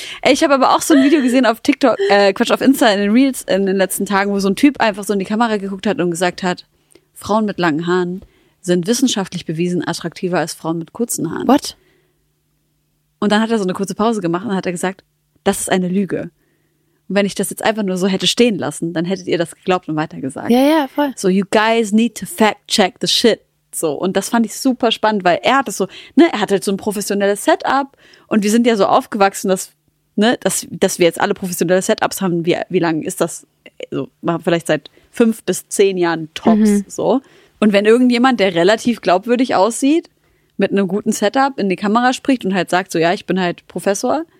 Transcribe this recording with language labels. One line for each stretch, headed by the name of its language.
German: Ich habe aber auch so ein Video gesehen auf TikTok, auf Insta in den Reels in den letzten Tagen, wo so ein Typ einfach so in die Kamera geguckt hat und gesagt hat, Frauen mit langen Haaren sind wissenschaftlich bewiesen attraktiver als Frauen mit kurzen Haaren.
English: What?
German: Und dann hat er so eine kurze Pause gemacht und hat er gesagt, das ist eine Lüge. Und wenn ich das jetzt einfach nur so hätte stehen lassen, dann hättet ihr das geglaubt und weitergesagt. Ja, ja, voll.
English: So, you guys need to fact-check the shit.
German: So, und das fand ich super spannend, weil er hat es so, ne, er hat halt so ein professionelles Setup und wir sind ja so aufgewachsen, dass wir jetzt alle professionelle Setups haben. Wie lange ist das? Also, vielleicht seit 5 bis 10 Jahren tops, so. Und wenn irgendjemand, der relativ glaubwürdig aussieht, mit einem guten Setup in die Kamera spricht und halt sagt, so, ja, ich bin halt Professor.